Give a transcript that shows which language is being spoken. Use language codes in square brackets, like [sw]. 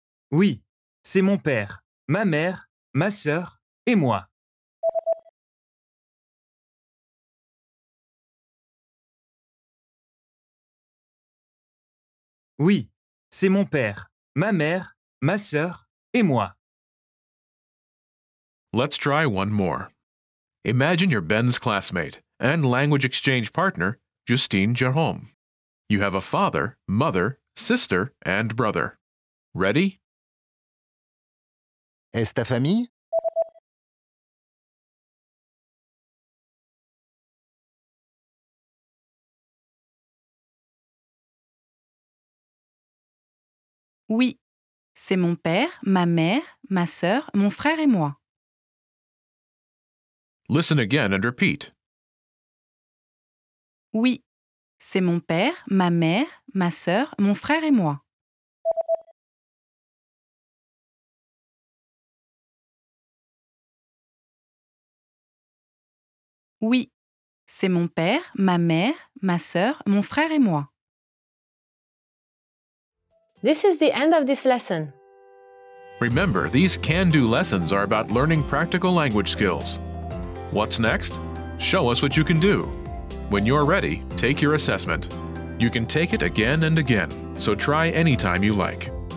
[fr] Oui, c'est mon père, ma mère, ma sœur et moi. Oui, c'est mon père, ma mère, ma sœur et moi. [en] Let's try one more. Imagine you're Ben's classmate and language exchange partner, Justine Jerome. You have a father, mother, sister, and brother. Ready? [fr] Est ta famille? Oui, c'est mon père, ma mère, ma sœur, mon frère et moi. [en] Listen again and repeat. [fr] Oui. C'est mon père, ma mère, ma sœur, mon frère et moi. Oui, c'est mon père, ma mère, ma sœur, mon frère et moi. [en] This is the end of this lesson. Remember, these can-do lessons are about learning practical language skills. What's next? Show us what you can do. When you're ready, take your assessment. You can take it again and again, so try anytime you like.